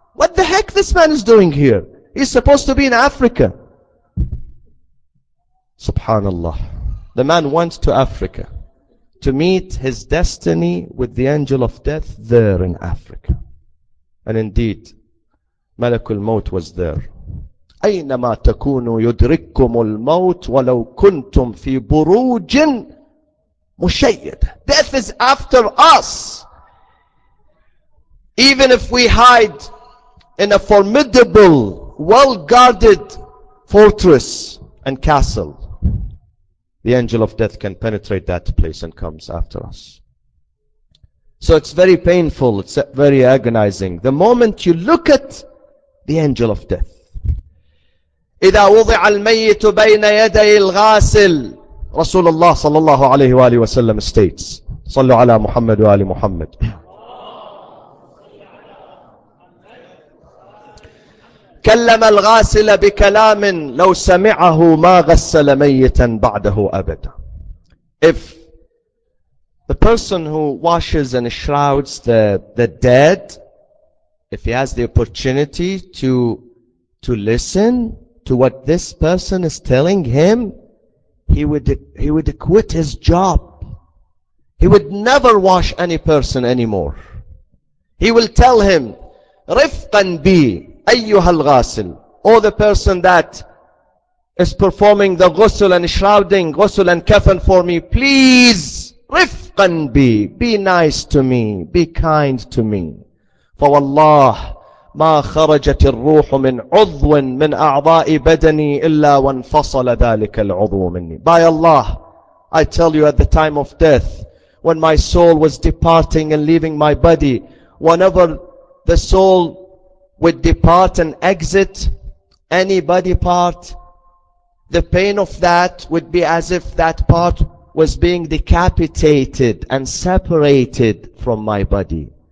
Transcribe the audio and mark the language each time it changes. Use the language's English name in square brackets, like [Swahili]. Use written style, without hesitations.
[English] What the heck this man is doing here? He's supposed to be in Africa. Subhanallah. The man went to Africa to meet his destiny with the angel of death there in Africa. And indeed, Malakul Maut was there. [Arabic] أينما تكونوا يدرككم الموت ولو كنتم في بروج مشيد. [English] Death is after us. Even if we hide in a formidable, well-guarded fortress and castle, the angel of death can penetrate that place and comes after us. So it's very painful, it's very agonizing. The moment you look at the angel of death, [Arabic] إذا وضع الميت بين يدي الغاسل رسول الله صلى الله عليه وآله وسلم states صلوا على محمد وآل محمد. كلم الغاسل بكلام لو سمعه ما غسل ميتا بعده أبدا. [English] If the person who washes and shrouds the dead, if he has the opportunity to listen to what this person is telling him, he would quit his job. He would never wash any person anymore. He will tell him, [Arabic] رفقا بي أيها الغاسل, [English] or the person that is performing the ghusl and shrouding, ghusl and kafan for me. Please, rifqan be nice to me, be kind to me. [Arabic] فوالله ما خرجت الروح من عضو من أعضاء بدني إلا وانفصل ذلك العضو مني. [English] By Allah, I tell you, at the time of death, when my soul was departing and leaving my body, whenever the soul would depart and exit any body part, the pain of that would be as if that part was being decapitated and separated from my body.